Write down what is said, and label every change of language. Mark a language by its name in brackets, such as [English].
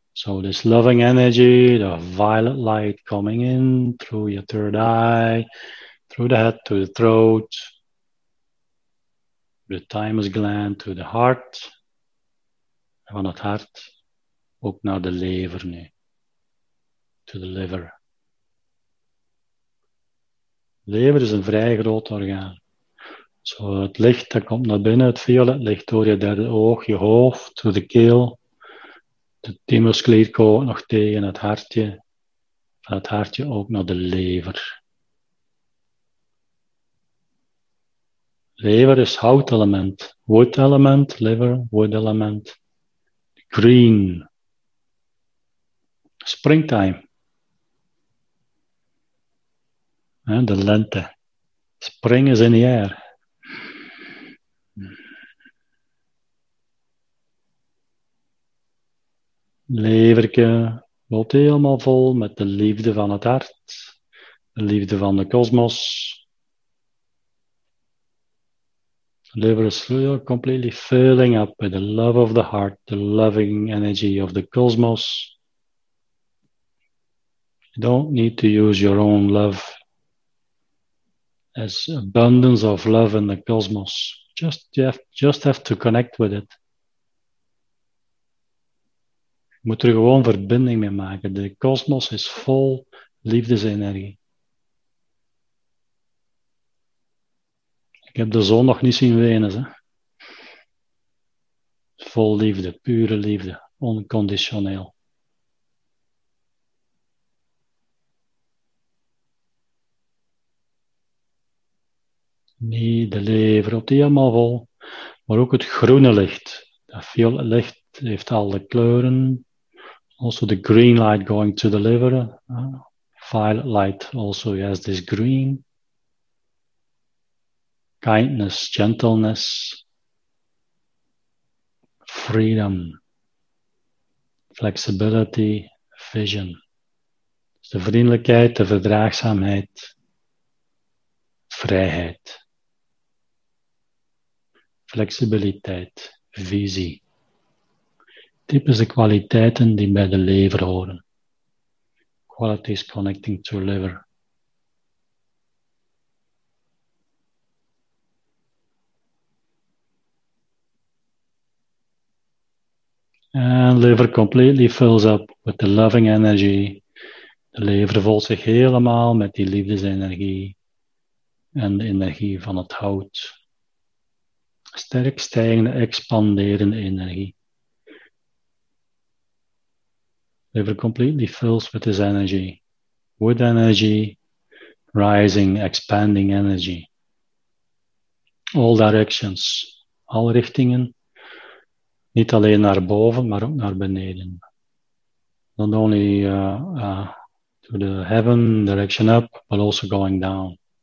[English] So this loving energy, the violet light coming in through your third eye, through the head to the throat, the thymus gland to the heart. [Dutch] Van het hart ook naar de lever nu. [English] To the liver. [Dutch] De lever is een vrij groot orgaan. So het licht dat komt naar binnen, het violet licht door je derde oog, je hoofd, door de keel. De thymusklier komt nog tegen het hartje. Van het hartje ook naar de lever. Lever is hout element. [English] Wood element, liver, wood element. Green. Springtime. [Dutch] De lente. [English] Spring is in the air. [Dutch] Leverke loopt helemaal vol met de liefde van het hart. De liefde van de kosmos. [English] Lever is completely filling up with the love of the heart, the loving energy of the cosmos. You don't need to use your own love. As abundance of love in the cosmos. You just have to connect with it. [Dutch] Je moet er gewoon verbinding mee maken. De kosmos is vol liefdesenergie. Ik heb de zon nog niet zien wenen. Hè? Vol liefde, pure liefde, onconditioneel. Niet de lever op die helemaal vol, maar ook het groene licht. Dat violet licht heeft al de kleuren. [English] Also the green light going to the liver. Violet light also has this green. Kindness, gentleness. Freedom. Flexibility, vision. [Dutch] Dus de vriendelijkheid, de verdraagzaamheid. Vrijheid. Flexibiliteit, visie. Typische kwaliteiten die bij de lever horen. [English] Qualities connecting to liver. And liver completely fills up with the loving energy. [Dutch] De lever vult zich helemaal met die liefdesenergie en de energie van het hout. Sterk stijgende, expanderende energie. [English] Liver completely fills with this energy. Wood energy, rising, expanding energy. All directions, [Dutch] alle richtingen. Niet alleen naar boven, maar ook naar beneden. [English] Not only to the heaven, direction up, but also going down.